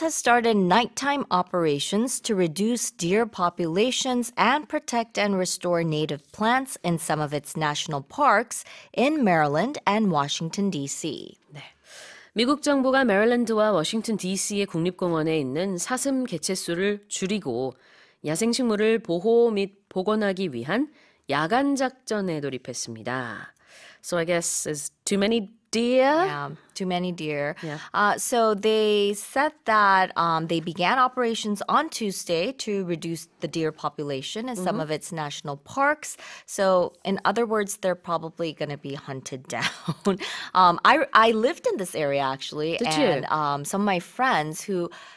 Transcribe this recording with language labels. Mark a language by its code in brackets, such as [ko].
[en] has started nighttime operations to reduce deer populations and protect and restore native plants in some of its national parks in Maryland and Washington, D.C. [ko] 네. 미국 정부가 메릴랜드와 워싱턴 D.C.의 국립공원에 있는 사슴 개체수를 줄이고 야생식물을 보호 및 복원하기 위한 야간 작전에 돌입했습니다. [en] So I guess it's too many deer. Yeah. So they said that they began operations on Tuesday to reduce the deer population in some of its national parks. So in other words, they're probably going to be hunted down. I lived in this area, actually. Some of my friends who...